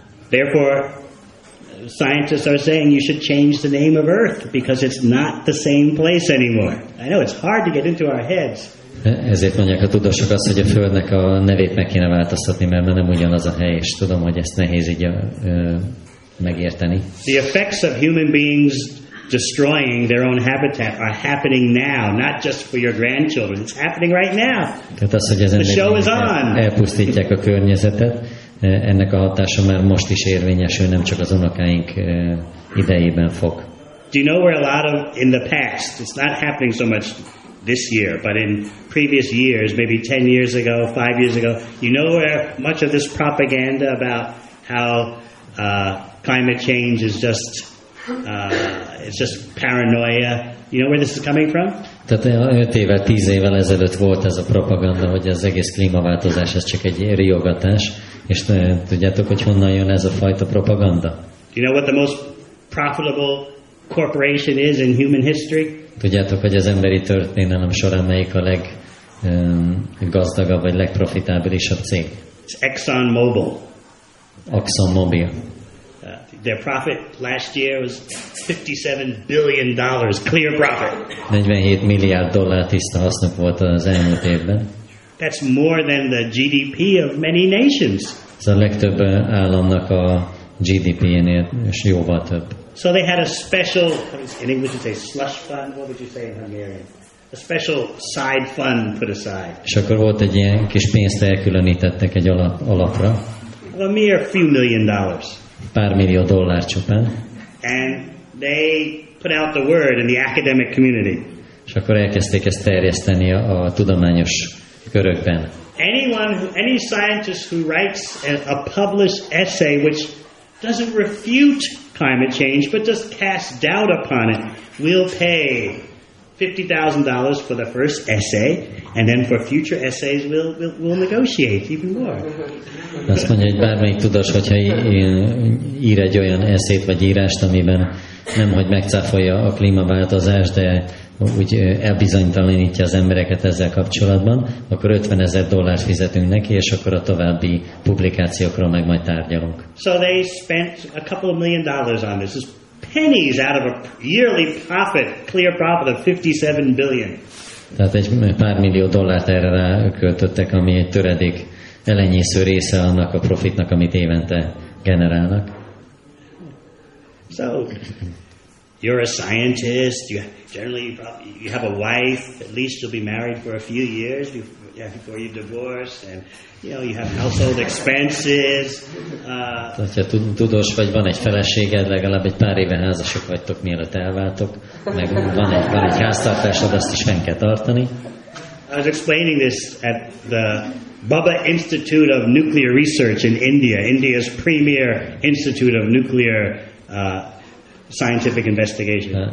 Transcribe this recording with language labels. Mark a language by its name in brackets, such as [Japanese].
[English] Therefore, scientists are saying you should change the name of Earth because it's not the same place anymore. I know it's hard to get into our heads. [Hungarian] Ezért mondják a tudósok azt, hogy a Földnek a nevét meg kéne változtatni, mert már nem ugyanaz a hely, és tudom, hogy ezt nehéz így megérteni. [English] The effects of human beings destroying their own habitat are happening now, not just for your grandchildren. It's happening right now. The show is on. [Hungarian] Elpusztítják a környezetet. Ennek a hatása már most is érvényesül, nem csak az unokáink idejében fog. [English] Do you know where a lot of in the past, it's not happening so much this year, but in previous years, maybe 10 years ago, 5 years ago, you know where much of this propaganda about how climate change is just it's just paranoia. You know where this is coming from? [Hungarian] Tehát 5 évvel, 10 évvel ezelőtt volt ez a propaganda, hogy az egész klímaváltozás ez csak egy riogatás. És tudjátok, hogy honnan jön ez a fajta propaganda? [English] You know what the most profitable corporation is in human history? [Hungarian] Tudjátok, hogy az emberi történelem során melyik a leggazdagabb vagy legprofitábilisabb cég? [English] It's Exxon Mobil. [Hungarian] Exxon Mobil. [English] Their profit last year was $57 billion, clear profit. [Hungarian] 47 milliárd dollár tiszta hasznuk volt az elmúlt évben. [English] That's more than the GDP of many nations. [Hungarian] Ez a legtöbb államnak a GDP-nél, és jóval több. [English] So they had a special, in English you say slush fund, what would you say in Hungarian? A special side fund put aside. [Hungarian] És akkor volt egy ilyen kis pénzt elkülönítettek egy alapra. [English] A mere few million dollars. [Hungarian] Pár millió dollár csupán. [English] And they put out the word in the academic community. [Hungarian] És akkor elkezdték ezt terjeszteni a tudományos körökben. [English] Any scientist who writes a published essay which doesn't refute climate change but just casts doubt upon it will pay $50,000 for the first essay, and then for future essays we'll negotiate even more. [Hungarian] Azt mondja, hogy bármelyik tudós, hogyha ír egy olyan eszét vagy írást, amiben nem hogy megcáfolja a klímaváltozás, de úgy elbizonytalanítja az embereket ezzel kapcsolatban, akkor $50,000 fizetünk neki, és akkor a további publikációkról meg majd tárgyalunk. [English] So they spent a couple of million dollars on this. It's pennies out of a yearly profit, clear profit of $57 billion. [Hungarian] Tehát egy pár millió dollárt erre ráköltöttek, ami egy töredék elenyésző része annak a profitnak, amit évente generálnak. [English] So, you're a scientist, you generally you have a wife, at least you'll be married for a few years before you divorce, and you know you have household expenses. [Hungarian] Tehát tudós vagy, van egy feleséged, legalább egy pár éve házasok vagytok, mielőtt elváltok, meg van egy háztartásod, azt is fenn kell tartani. [English] I was explaining this at the Bubba Institute of Nuclear Research in India, India's premier institute of nuclear scientific investigation.